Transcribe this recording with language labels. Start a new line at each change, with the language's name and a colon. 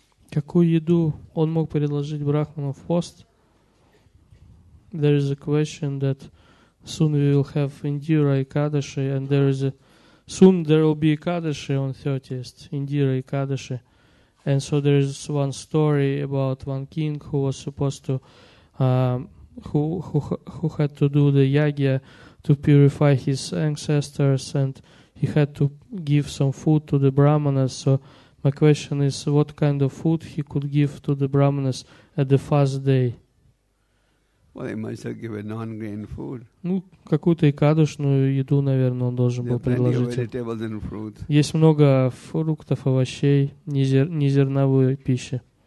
Russian: Какую еду он мог предложить Брахману в пост?
English: There is a question that soon we will have Indira Ekadashi, and there will be Ekadashi on 30th, Indira Ekadashi. And so there is one story about one king who was supposed to, who had to do the yagya to purify his ancestors, and he had to give some food to the brahmanas. So my question is, what kind of food he could give to the brahmanas at the fast day? Well, they must have given non-grain food.
Russian: Ну, какую-то икадушную еду, наверное, он должен
English: There
Russian: был предложить.
English: Plenty of vegetables and fruit.
Russian: Есть много фруктов, овощей, незерновой пищи.